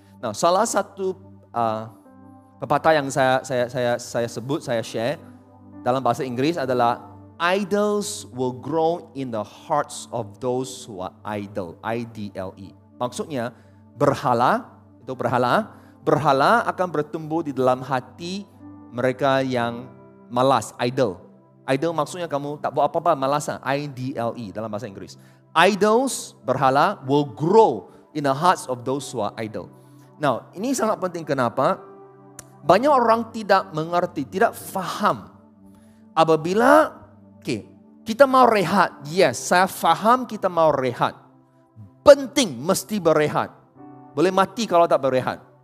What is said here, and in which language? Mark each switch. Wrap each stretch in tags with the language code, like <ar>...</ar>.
<ms>Nah, salah satu pepatah yang saya sebut, saya share, dalam bahasa Inggris adalah,</ms> <en>idols will grow in the hearts of those who are idle, I-D-L-E.</en> <ms>Maksudnya, berhala, itu berhala, berhala akan bertumbuh di dalam hati mereka yang malas, idle. Idle maksudnya kamu tak buat apa-apa, malas, I-D-L-E dalam bahasa Inggris.</ms> <en>Idols, berhala, will grow in the hearts of those who are idle.</en> <ms>Now, ini sangat penting, kenapa? Banyak orang tidak mengerti, tidak faham. Apabila okay, kita mau rehat, yes, saya faham kita mau rehat. Penting, mesti berehat. Boleh mati kalau tak berehat.</ms>